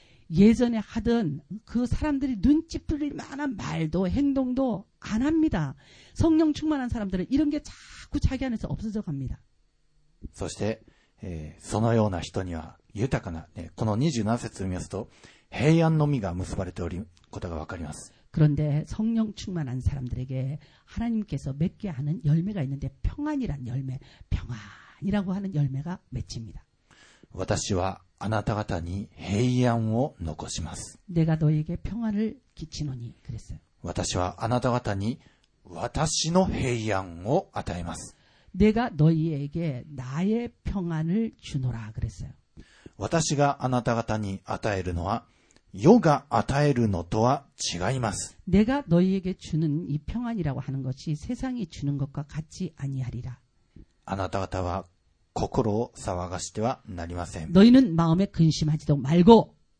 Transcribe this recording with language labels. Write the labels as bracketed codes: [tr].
[ko] 예전에 하던 그 사람들이 눈치 풀릴 만한 말도 행동도 안 합니다. 성령 충만한 사람들은 이런 게 자꾸 자기 안에서 없어져 갑니다. [ja] そして、そのような人には豊かな、ね、この27節を見ますと平安の実が結ばれておることがわかります。 [ko] 그런데성령충만한사람들에게하나님께서맺게하는열매가있는데평안이란열매평안이라고하는열매가맺힙니다 [ja] 私はあなた方に平安を残します [ko] 내가너에게평안을끼치노니그랬어요 [ja] 私はあなた方に私の平安を与えます [ko] 내가너희에게나의평안을주노라그랬어요 [ja] 私があなた方に与えるのは世が与えるのとは違います [ko] 내가너희에게주는이평안이라고하는것이세상이주는것과같이아니하리라 [ja] あなた方は心を騒がしてはなりません [ko] 너희는마음에근심하지도말고